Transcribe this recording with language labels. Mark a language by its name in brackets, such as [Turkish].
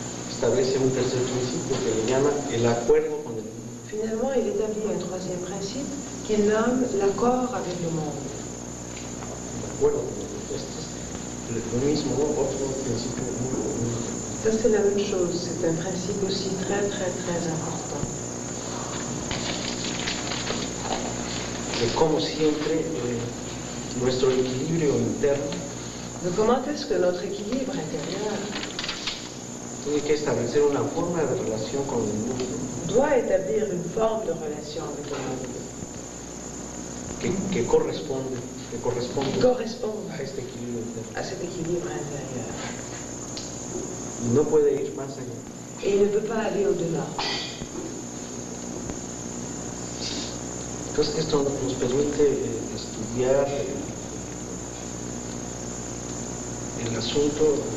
[Spanish] Establece un tercer principio que le llama el acuerdo con el mundo. [French] Finalement, il établit un troisième principe qu'il nomme l'accord avec le monde. [Spanish] Bueno, esto es lo mismo, otro principio muy importante. [French] Ça, c'est la même chose, c'est un principe aussi très, très, très important. [Spanish] De cómo siempre nuestro equilibrio interno. [French] De comment est-ce que notre équilibre intérieur. [Spanish] Tiene que establecer una forma de relación con el mundo. [French] Doit établir une forme de relation avec le monde. [Spanish] Que corresponde. Que corresponde. Corresponde. A este equilibrio interno. [French] A cet équilibre intérieur. [Spanish] No puede ir más allá. [French] Et il ne peut pas aller au-delà. [Spanish] Entonces esto nos permite estudiar el asunto.